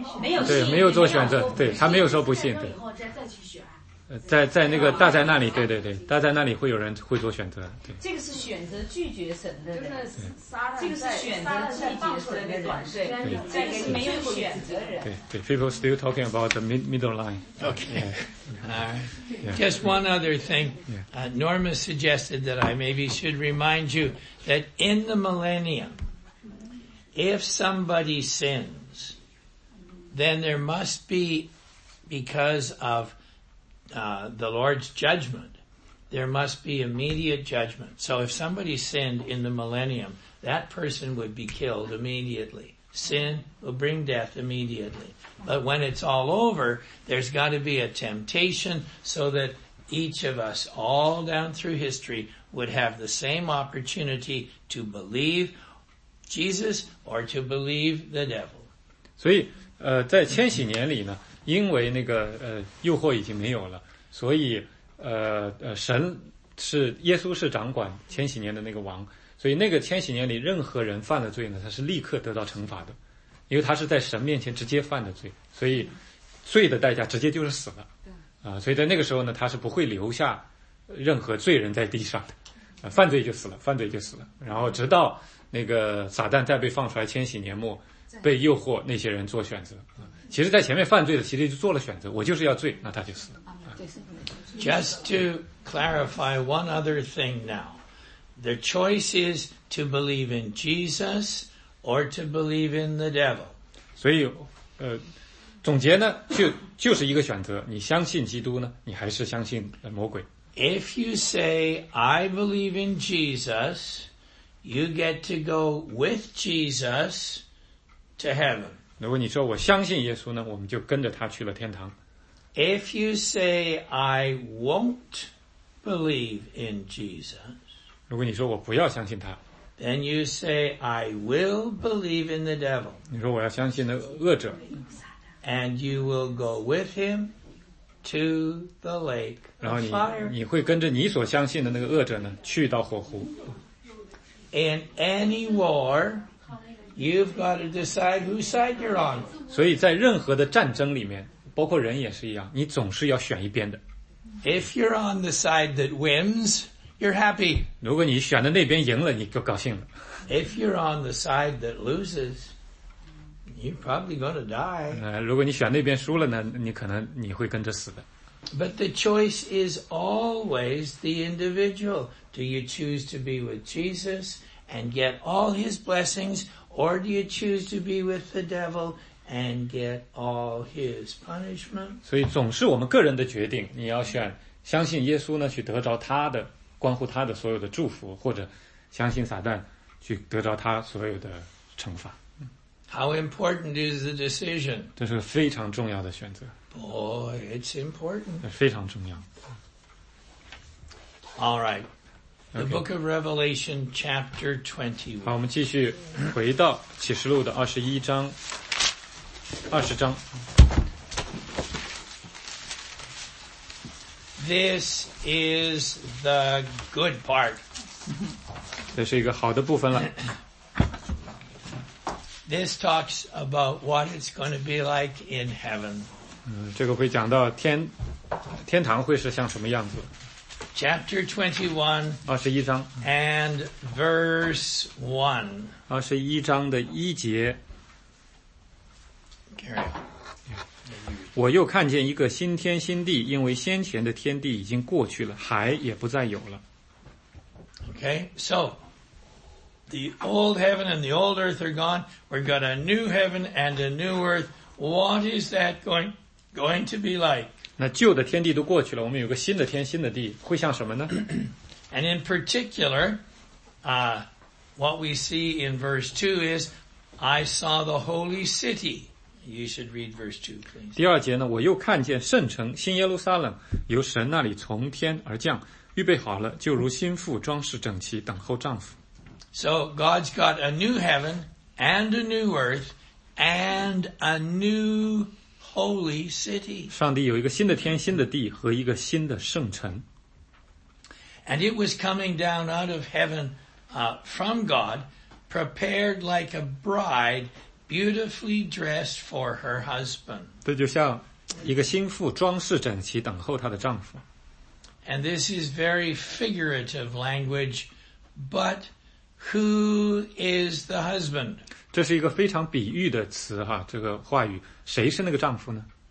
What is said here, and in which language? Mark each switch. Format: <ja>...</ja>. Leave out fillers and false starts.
<zh>没有对，没有做选择，对他没有说不信，对。在那个大灾那里，对，大灾那里会有人会做选择，对。这个是选择拒绝神的人，就是、这个是选择拒绝神的短视，这个是没有选择的人。</zh> <en>对 ，people still talking about the middle line. Okay, yeah. All right. Just one other thing.、 Yeah. Norma suggested that I maybe should remind you that in the millennium. If somebody sins, then there must be, because of the Lord's judgment, there must be immediate judgment. So if somebody sinned in the millennium, that person would be killed immediately. Sin will bring death immediately. But when it's all over, there's got to be a temptation so that each of us all down through history would have the same opportunity to believeJesus or to believe the devil.</en> <zh>所以在千禧年里呢，因为那个诱惑已经没有了，所以神是耶稣是掌管千禧年的那个王，所以那个千禧年里任何人犯了罪呢，他是立刻得到惩罚的，因为他是在神面前直接犯的罪，所以罪的代价直接就是死了啊，所以在那个时候呢，他是不会留下任何罪人在地上的，犯罪就死了，然后直到那个撒旦再被放出来千禧年末，被诱惑那些人做选择。其实在前面犯罪的其实就做了选择，我就是要罪，那他就死了。</zh> <en>Just to clarify one other thing now. The choice is to believe in Jesus or to believe in the devil.</en> <zh>所以总结呢就是一个选择，你相信基督呢你还是相信魔鬼。</zh> <en>If you say, I believe in Jesus, you get to go with Jesus to heaven.</en> <zh>如果你说我相信耶稣呢，我们就跟着他去了天堂。</zh> <en>If you say, I won't believe in Jesus,</en> <zh>如果你说我不要相信他，</zh> <en>then you say, I will believe in the devil.</en> <zh>你说我要相信那恶者。</zh> <en>And you will go with him to the lake of fire.</en> <zh>然后你会跟着你所相信的那个恶者呢，去到火湖。</zh> <en>In any war, you've got to decide whose side you're on.</en> <zh>所以在任何的战争里面，包括人也是一样，你总是要选一边的。</zh> <en>If you're on the side that wins, you're happy.</en> <zh>如果你选的那边赢了，你就高兴了。</zh> <en>If you're on the side that loses,You're probably going to die.</en> <zh>如果你选那边输了呢，你可能你会跟着死的。</zh> <en>But the choice is always the individual. Do you choose to be with Jesus and get all his blessings, or do you choose to be with the devil and get all his punishment?</en> <zh>所以总是我们个人的决定，你要选相信耶稣呢，去得着他的，关乎他的所有的祝福，或者相信撒旦，去得着他所有的惩罚。</zh> <en>How important is the decision?</en> <zh>这是非常重要的选择。</zh> <en>Boy, it's important.</en> <zh>非常重要。</zh> <en>All right. The、 okay. book of Revelation chapter 21.</en> <zh>好，我们继续回到启示录的21章。 20章。</zh> <en>This is the good part.</en> <zh>这是一个好的部分了。</zh> <en>This talks about what it's going to be like in heaven.</en> <zh>这个会讲到天堂会是像什么样子。</zh> <en>Chapter 21.</en> <zh>21章。</zh> <en>And verse</en> <zh>1. 21章的一节。</zh> <en>Gary.</en> <zh>我又看见一个新天新地，因为先前的天地已经过去了，海也不再有了。</zh> <en>Okay, so. The old heaven and the old earth are gone. We've got a new heaven and a new earth. What is that going to be like?</en> <zh>那旧的天地都过去了，我们有个新的天，新的地，会像什么呢？</zh> <en>And in particular, what we see in verse 2 is, I saw the holy city. You should read verse 2, please.</en> <zh>第二节呢，我又看见圣城新耶路撒冷由神那里从天而降，预备好了，就如新妇装饰整齐，等候丈夫。</zh> <en>So God's got a new heaven and a new earth and a new holy city.</en> <zh>上帝有一个新的天新的地和一个新的圣城。</zh> <en>And it was coming down out of heaven, from God, prepared like a bride, beautifully dressed for her husband.</en> <zh>这就像一个新妇装饰整齐等候她的丈夫。</zh> <en>And this is very figurative language, but Who is the husband?</en> <zh>这是一个非常比喻的词哈，这个话语，谁是那个丈夫呢？</zh>